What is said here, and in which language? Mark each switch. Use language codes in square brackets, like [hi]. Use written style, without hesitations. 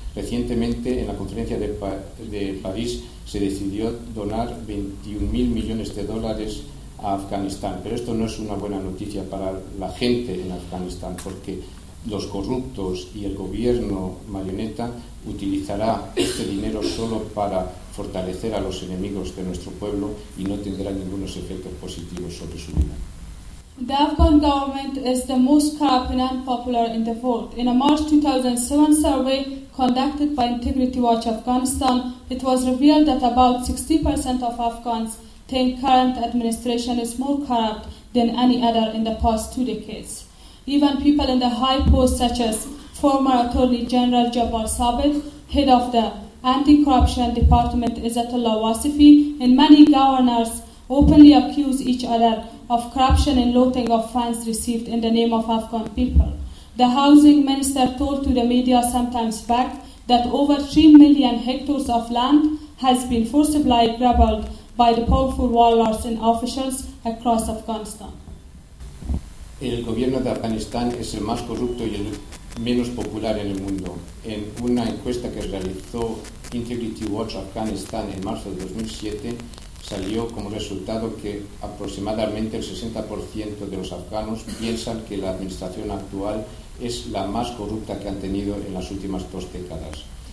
[es] Recientemente, en la conferencia de París, se decidió donar 21.000 millones de dólares a Afganistán, pero esto no es una buena noticia para la gente en Afganistán, porque los corruptos y el gobierno marioneta utilizará este dinero solo para fortalecer a los enemigos de nuestro pueblo y no tendrá ningunos efectos positivos sobre su vida. [en] The Afghan government is the most corrupt and unpopular in the world. In a March 2007 survey conducted by Integrity Watch Afghanistan, it was revealed that about 60% of Afghans think current administration is more corrupt than any other in the past 2 decades. Even people in the high post, such as former Attorney General Jabbar Sabit, head of the Anti-Corruption Department, Izzatullah Wasifi, and many governors openly accuse each other of corruption and looting of funds received in the name of Afghan people. The housing minister told to the media sometimes back that over 3 million hectares of land has been forcibly grabbed by the powerful warlords and officials across Afghanistan. [es] El gobierno de Afganistán es el más corrupto y el menos popular en el mundo. En una encuesta que realizó Integrity Watch Afghanistan en marzo de 2007, salió como resultado que aproximadamente el 60% de los afganos piensan que la administración actual es la más corrupta que han tenido en las últimas 2 décadas.